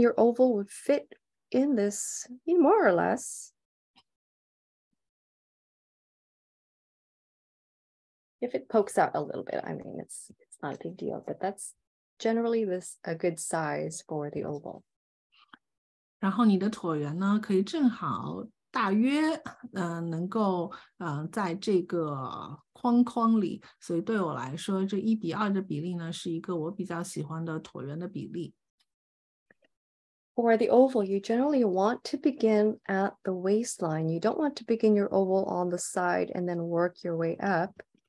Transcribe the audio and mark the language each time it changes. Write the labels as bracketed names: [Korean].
[English] your oval would fit in this, more or less. If it pokes out a little bit, I mean, it's not a big deal, but that's generally this a good size for the oval. [Chinese] 然后你的椭圆呢，可以正好大约能够在这个框框里。所以对我来说，这1:2的比例呢，是一个我比较喜欢的椭圆的比例。 [English] For the oval, you generally want to begin at the waistline. You don't want to begin your oval on the side and then work your way up.